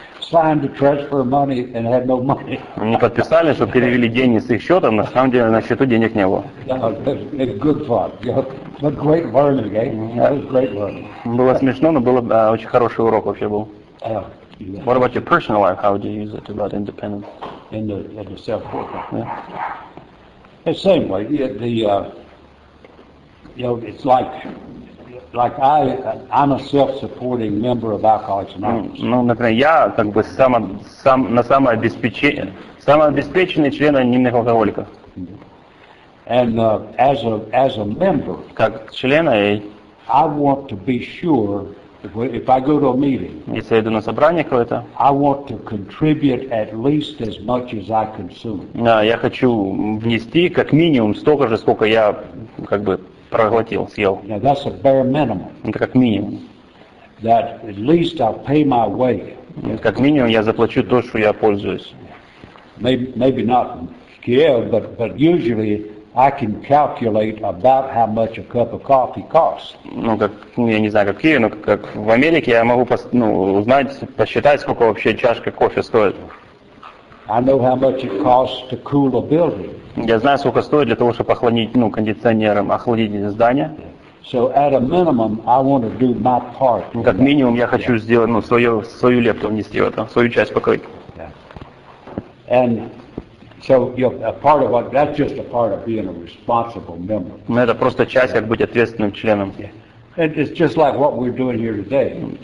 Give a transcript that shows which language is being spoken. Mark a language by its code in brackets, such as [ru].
[en] Signed to transfer money and had no money. [ru] Они подписали, что перевели деньги с их счета, на самом деле на счету денег не было. [en] It's good fun. But great learning, eh? That was great learning. [ru] Было смешно, но было очень хороший урок вообще был. [en] What about your personal life? How do you use it about independence? In the self-work. Yeah. The same way. It's like I'm a self-supporting member of Alcoholics Anonymous. [ru] Ну, например, я как бы самообеспеченный член анонимных алкоголиков. [en] And as a member, [ru] как члена, [en] I want to be sure if I go to a meeting, [ru] если я иду на собрание какое-то, [en] I want to contribute at least as much as I consume. [ru] Я хочу внести как минимум столько же, сколько я как бы проглотил, съел. [en] Now that's a bare minimum. [ru] Это как минимум. [en] That at least I'll pay my way. [ru] Как минимум я заплачу то, что я пользуюсь. [en] Maybe not give, but usually I can calculate about how much a cup of coffee costs. [ru] Ну как, я не знаю, какие, но как в Америке я могу посчитать, сколько вообще чашка кофе стоит. [en] I know how much it costs to cool a building. [ru] Я знаю, сколько стоит для того, чтобы кондиционером охладить здание. [en] So at a minimum, I want to do my part. [ru] Как минимум, я хочу сделать свою лепту внести в это, свою часть покрыть. [en] Yeah. And so a part of that's just a part of being a responsible member. [ru] Это просто часть, как быть ответственным членом. [en] And it's just like what we're doing here today.